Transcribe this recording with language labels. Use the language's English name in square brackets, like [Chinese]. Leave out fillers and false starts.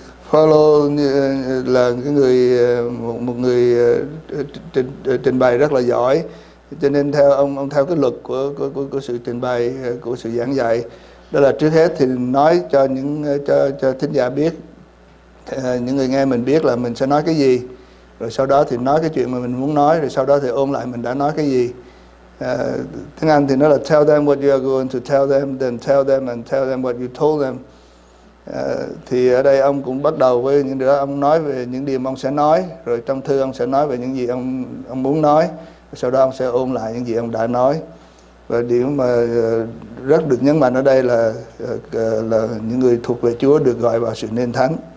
[Vietnamese] Phaolô là cái người một người trình bày rất là giỏi, cho nên theo ông theo cái luật của sự trình bày của sự giảng dạy, đó là trước hết thì nói cho những cho thính giả biết, những người nghe mình biết là mình sẽ nói cái gì, rồi sau đó thì nói cái chuyện mà mình muốn nói, rồi sau đó thì ôn lại mình đã nói cái gì. Tiếng Anh thì nó là [English] tell them what you are going to tell them, then tell them and tell them what you told them. [Vietnamese] Thì ở đây ông cũng bắt đầu với những điều đó, ông nói về những điều ông sẽ nói, rồi trong thư ông sẽ nói về những gì ông muốn nói, sau đó ông sẽ ôn lại những gì ông đã nói. Và điểm mà rất được nhấn mạnh ở đây là những người thuộc về Chúa được gọi vào sự nên thánh.